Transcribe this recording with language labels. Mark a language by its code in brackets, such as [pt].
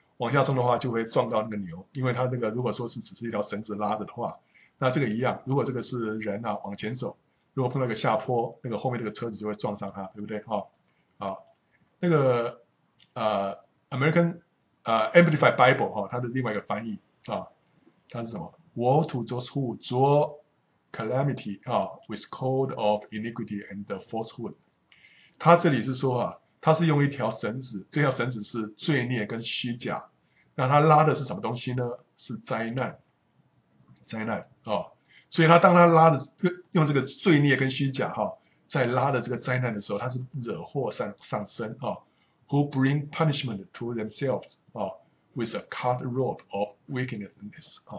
[zh] 往下冲的话就会撞到那个牛，因为他那个如果说是只是一条绳子拉着的话，那这个一样，如果这个是人啊往前走，如果碰到一个下坡，那个后面这个车子就会撞上他，对不对？那个American Amplified Bible 它的另外一个翻译它是什么？ [en] Woe to those who draw calamity with cord of iniquity and falsehood。 [zh] 它这里是说它是用一条绳子，这条绳子是罪孽跟虚假，那它拉的是什么东西呢？是灾难所以它当它拉的用这个罪孽跟虚假在拉的这个灾难的时候，它是惹祸上身 [en] Who bring punishment to themselves with a cut rope of wickedness？